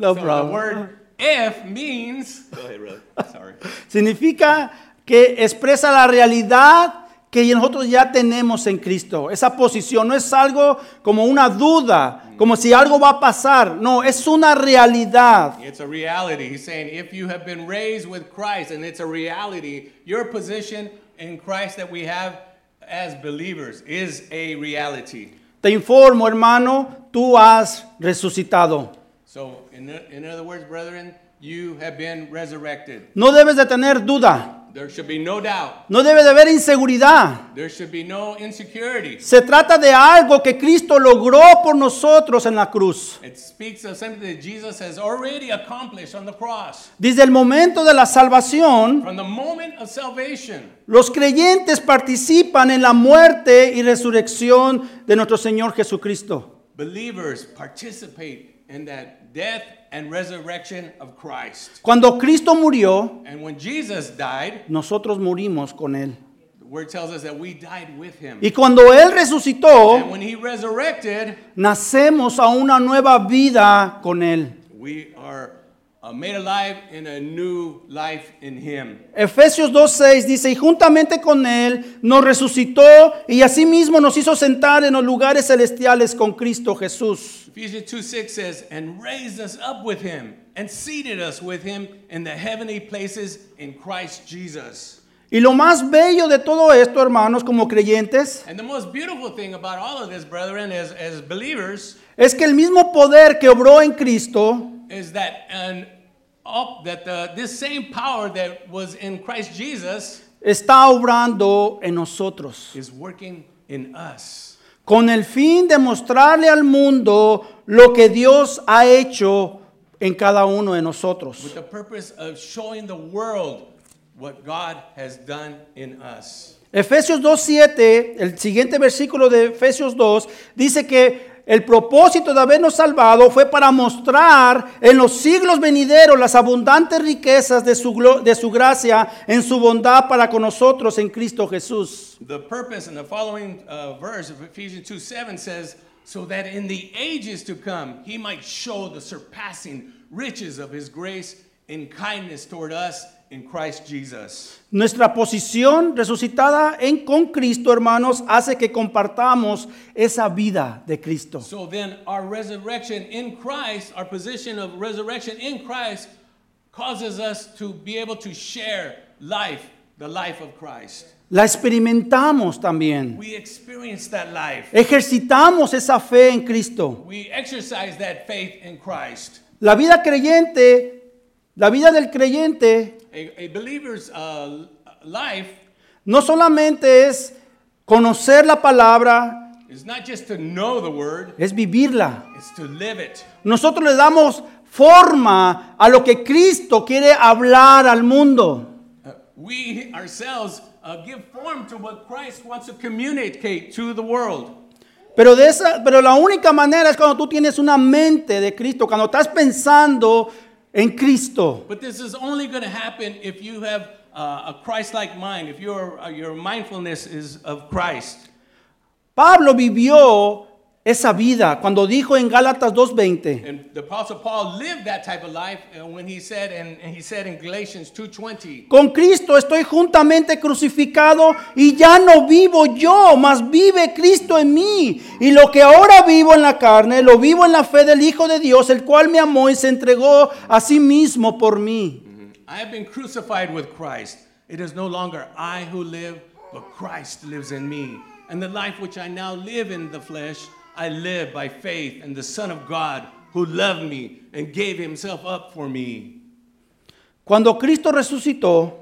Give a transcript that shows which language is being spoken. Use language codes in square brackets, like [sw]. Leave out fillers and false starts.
[en] No so problem. The word if means, go ahead, really, sorry. [es] Significa que expresa la realidad que nosotros ya tenemos en Cristo. Esa posición no es algo como una duda, como si algo va a pasar. No, es una realidad. [en] It's a reality. He's saying, if you have been raised with Christ, and it's a reality, your position in Christ that we have as believers is a reality. [es] Te informo, hermano, tú has resucitado. [en] So, in other words, brethren, you have been resurrected. [es] No debes de tener duda. [en] There should be no doubt. [es] No debe de haber inseguridad. [en] There should be no insecurity. [es] Se trata de algo que Cristo logró por nosotros en la cruz. [en] It speaks of something that Jesus has already accomplished on the cross. [es] Desde el momento de la salvación, [en] from the moment of salvation, [es] los creyentes participan en la muerte y resurrección de nuestro Señor Jesucristo. [en] Believers participate in that death and resurrection of Christ. [es] Cuando Cristo murió, [en] and when Jesus died, [es] nosotros morimos con él. [en] The word tells us that we died with him. [es] Y cuando él resucitó, [en] and when he resurrected, [es] nacemos a una nueva vida con él. [en] We are made alive in a new life in him. [es] Efesios 2:6 dice, y juntamente con él nos resucitó y asimismo nos hizo sentar en los lugares celestiales con Cristo Jesús. [en] Ephesians 2:6 says, and raised us up with him and seated us with him in the heavenly places in Christ Jesus. [es] Y lo más bello de todo esto, hermanos, como creyentes, [en] and the most beautiful thing about all of this, brethren, as believers, [es] es que el mismo poder que obró en Cristo, [en] is that an up that the this same power that was in Christ Jesus [es] está obrando en nosotros, [en] is working in us, [es] con el fin de mostrarle al mundo lo que Dios ha hecho en cada uno de nosotros, [en] with the purpose of showing the world what God has done in us. [es] Efesios 2:7, el siguiente versículo de Efesios 2 dice que el propósito de habernos salvado fue para mostrar en los siglos venideros las abundantes riquezas de su gracia en su bondad para con nosotros en Cristo Jesús. [en] The purpose in the following verse of Ephesians 2:7 says, so that in the ages to come he might show the surpassing riches of his grace and kindness toward us in Christ Jesus. [es] Nuestra posición resucitada en con Cristo, hermanos, hace que compartamos esa vida de Cristo. [en] So then our resurrection in Christ, our position of resurrection in Christ, causes us to be able to share life, the life of Christ. [es] La experimentamos también. [en] We experience that life. [es] Ejercitamos esa fe en Cristo. [en] We exercise that faith in Christ. [es] La vida creyente, la vida del creyente, [en] a believer's life, [es] no solamente es conocer la palabra, [en] it's not just to know the word, [es] es vivirla, [en] it's to live it. [es] Nosotros le damos forma a lo que Cristo quiere hablar al mundo. [en] We ourselves give form to what Christ wants to communicate to the world. [es] Pero de esa, pero la única manera es cuando tú tienes una mente de Cristo, cuando estás pensando en Cristo. [en] But this is only going to happen if you have a Christ-like mind, if your mindfulness is of Christ. [es] Pablo vivió esa vida cuando dijo en Gálatas 2:20. [en] And the Apostle Paul lived that type of life when he said, and he said in Galatians 2:20. [es] Con Cristo estoy juntamente crucificado y ya no vivo yo, mas vive Cristo en mí. Y lo que ahora vivo en la carne, lo vivo en la fe del Hijo de Dios, el cual me amó y se entregó a sí mismo por mí. [en] I have been crucified with Christ. It is no longer I who live, but Christ lives in me. And the life which I now live in the flesh, I live by faith in the Son of God who loved me and gave himself up for me. [es] Cuando Cristo resucitó,